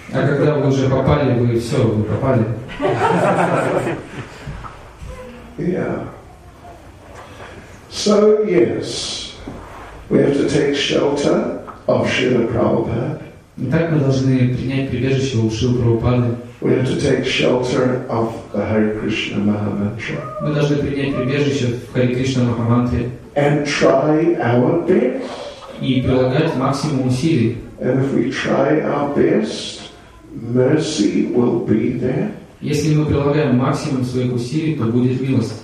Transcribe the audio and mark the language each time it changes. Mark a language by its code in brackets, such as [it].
[ru] А когда вы уже попали, вы все, вы попали. [en] So yes, we have to take shelter of Srila Prabhupada. [ru] Итак, мы должны принять прибежище у Шрилы Прабхупады. [en] We have to take shelter of the Hare Krishna Mahamantra. [ru] Мы должны принять прибежище в Харе Кришна Махамантре. [en] And try our best. [ru] И прилагать максимум усилий. [en] And if we try our best, mercy will be there. [ru] Если мы прилагаем максимум своих усилий, то будет милость.